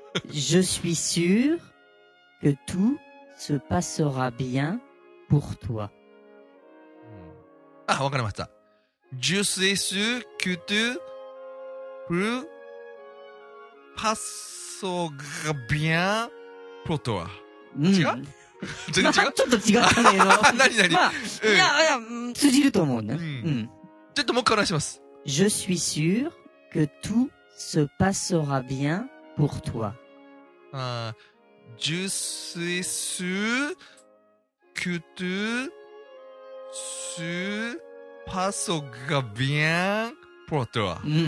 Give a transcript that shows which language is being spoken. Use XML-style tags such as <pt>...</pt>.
<fr>Je suis sûr que tout se passera bien pour toi.</fr> <ja>あ、わかりました。</ja> <fr>Je suis sûr que tout passera bien pour toi.</fr> <ja>違う？全然違う？ちょっと違ったねえの。何何？まあ、いや、通じると思うね。ちょっともう一回お願いします。</ja> <fr>Je suis sûr que tout se passera bien pour toi. Je suis sûr que tout se passera bien pour toi.</fr>